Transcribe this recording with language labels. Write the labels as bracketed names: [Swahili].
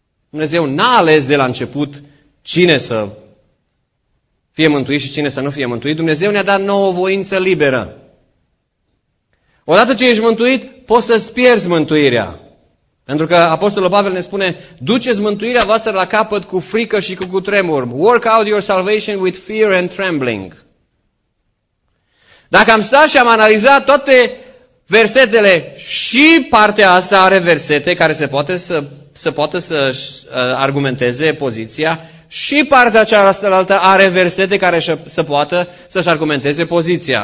[Romanian] Dumnezeu n-a ales de la început cine să fie mântuit și cine să nu fie mântuit. Dumnezeu ne-a dat nouă voință liberă. Odată ce ești mântuit, poți să-ți pierzi mântuirea. Pentru că Apostolul Pavel ne spune, duceți mântuirea voastră la capăt cu frică și cu cutremur. [English] Work out your salvation with fear and trembling. [Romanian] Dacă am stat și am analizat toate versetele, și partea asta are versete care se poate să argumenteze poziția, și partea cealaltă are versete care să poată să-și argumenteze poziția.